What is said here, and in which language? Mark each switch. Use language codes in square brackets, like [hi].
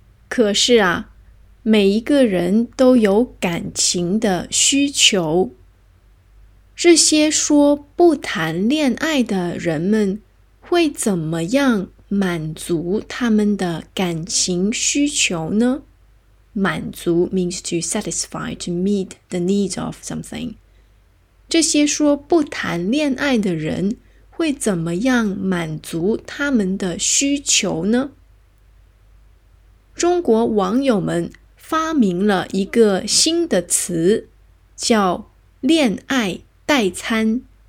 [zh] 可是啊，每一个人都有感情的需求，这些说不谈恋爱的人们会怎么样满足他们的感情需求呢？ [en] 满足 means to satisfy, to meet the needs of something。 [zh] 这些说不谈恋爱的人会怎么样满足他们的需求呢？中国网友们发明了一个新的词，叫恋爱代餐。